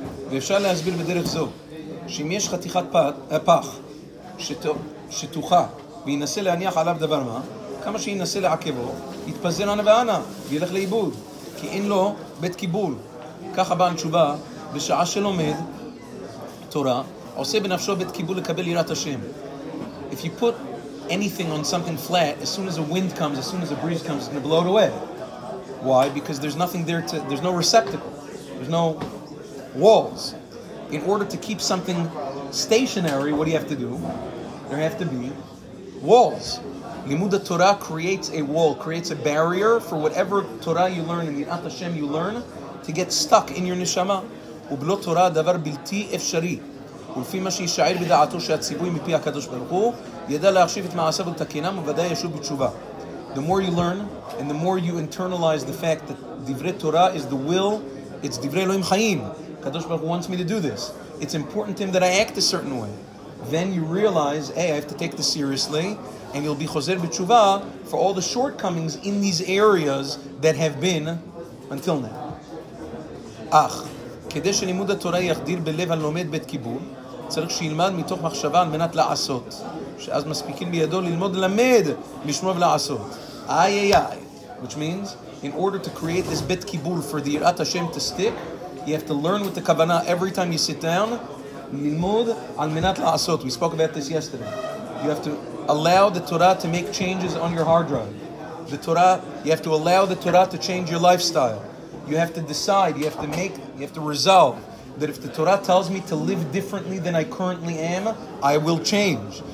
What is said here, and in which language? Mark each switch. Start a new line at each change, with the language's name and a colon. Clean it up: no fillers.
Hebrew: ואפשר להסביר בדרך זו, שאם יש חתיכת פח שטוחה וינסה להניח עליו דבר מה, כמה שינסה לעכבו, יתפזר ענה וענה וילך לאיבוד, כי אין לו בית קיבול. ככה בעל תשובה, בשעה שלומד תורה, עושה בנפשו בית קיבול לקבל יראת השם.
English: If you put anything on something flat, as soon as a wind comes, as soon as a breeze comes, it's going to blow it away. Why? Because there's nothing there to, there's no receptacle. There's no walls. In order to keep something stationary, what do you have to do? There have to be walls. Limud Torah creates a wall, creates a barrier for whatever Torah you learn and the Yirat Hashem you learn to get stuck in your neshama.
Hebrew: Ublo Torah davar bilti efshari. ולפי מה שישאר בדעתו שהציווי מפי הקדוש ברוך הוא, ידע להחשיב את מעשיו ולתקנם וודאי ישוב בתשובה.
English: The more you learn, and the more you internalize the fact that דברי Torah is the will, it's דברי אלוהים חיים. הקדוש ברוך הוא wants me to do this. It's important to him that I act a certain way. Then you realize, hey, I have to take this seriously, and you'll be חוזר בתשובה for all the shortcomings in these areas that have been until now.
Hebrew: אך, כדי שלימוד התורה יחדיר בלב הלומד בית קיבול, צריך שילמד מתוך מחשבה על מנת לעשות, שאז מספיקים בידו ללמוד למד לשמוע ולעשות. איי איי איי.
English: Which means, in order to create this בית קיבול for the יראת השם to stick, you have to learn with the כוונה every time you sit down,
Hebrew: ללמוד על מנת לעשות.
English: We spoke about this yesterday. You have to allow the Torah to make changes on your hard drive. The Torah, you have to allow the Torah to change your lifestyle. You have to decide, you have to resolve that if the Torah tells me to live differently than I currently am, I will change.